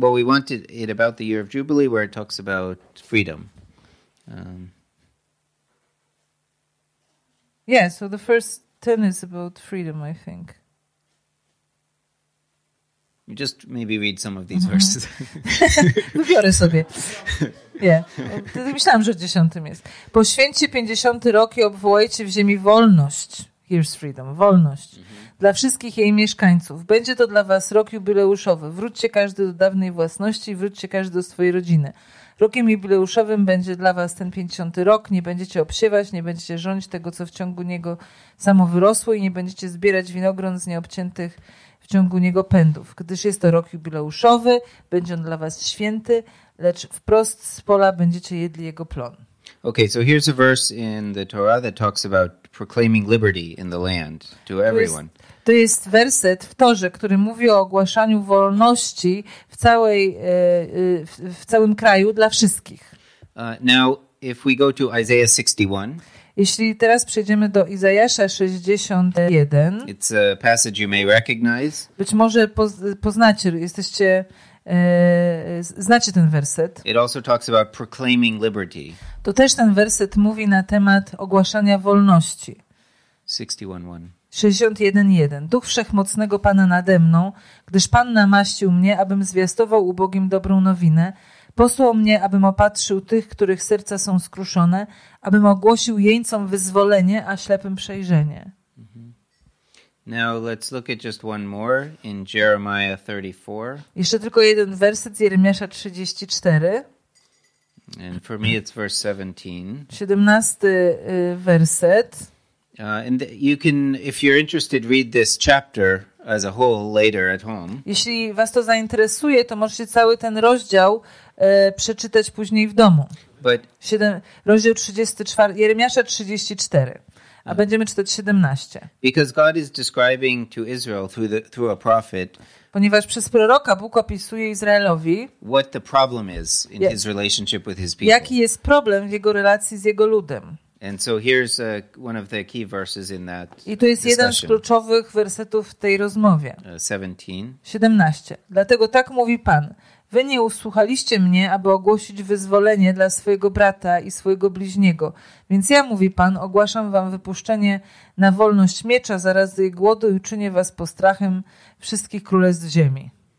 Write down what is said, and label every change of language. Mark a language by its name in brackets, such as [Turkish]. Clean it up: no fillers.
[English] Well, we wanted it about the year of Jubilee, where it talks about freedom. Yeah, so the first 10 is about freedom, I think. You just maybe read some of these verses. [Polish] Wybiorę sobie. Nie, myślałam, że w dziesiątym jest. Poświęćcie 50. rok i obwołajcie w ziemi wolność. [English] Here's freedom, [Polish] wolność. Dla wszystkich jej mieszkańców. Będzie to dla was rok jubileuszowy. Wróćcie każdy do dawnej własności i wróćcie każdy do swojej rodziny. Rokiem jubileuszowym będzie dla was ten 50. rok. Nie będziecie obsiewać, nie będziecie żądzić tego, co w ciągu niego samo wyrosło i nie będziecie zbierać winogron z nieobciętych w ciągu niego pędów. Gdyż jest to rok jubileuszowy, będzie on dla was święty, lecz wprost z pola będziecie jedli jego plon. [English] Okay, so here's a verse in the Torah that talks about proclaiming liberty in the land to everyone. [Polish] To jest werset w Torze, który mówi o ogłaszaniu wolności w całej w całym kraju dla wszystkich. [English] Now if we go to Isaiah 61. [Polish] Jeśli teraz przejdziemy do Izajasza 61. [English] It's a passage you may recognize. [Polish] Być może poznacie, jesteście znacie ten werset. [English] It also talks about proclaiming liberty. [Polish] To też ten werset mówi na temat ogłaszania wolności. 61:1. Duch Wszechmocnego Pana nade mną, gdyż Pan namaścił mnie, abym zwiastował ubogim dobrą nowinę, posłał mnie, abym opatrzył tych, których serca są skruszone, abym ogłosił jeńcom wyzwolenie, a ślepym przejrzenie. [English] Now let's look at just one more in Jeremiah 34. [Polish] Jeszcze tylko jeden werset z Jeremiasza 34. [English] And for me it's verse 17. [Polish] 17 werset. [English] And you can, if you're interested, read this chapter as a whole later at home. [Polish] Jeśli was to zainteresuje, to możecie cały ten rozdział przeczytać później w domu. Rozdział 34, Jeremiasza 34. A będziemy czytać 17. [English] Because God is describing to Israel through through a prophet. [Polish] Ponieważ przez proroka Bóg opisuje Izraelowi. [English] What the problem is in his relationship with his people. [Polish] Jaki jest problem w jego relacji z jego ludem? [English] And so here's one of the key verses in that. [Polish] I to jest [English] discussion. [Polish] Jeden z kluczowych wersetów w tej rozmowie. 17. Dlatego tak mówi Pan: Wy nie usłuchaliście mnie, aby ogłosić wyzwolenie dla swojego brata i swojego bliźniego. Więc ja, mówi Pan, ogłaszam wam wypuszczenie na wolność miecza, zarazy i głodu i czynię was postrachem wszystkich królestw ziemi.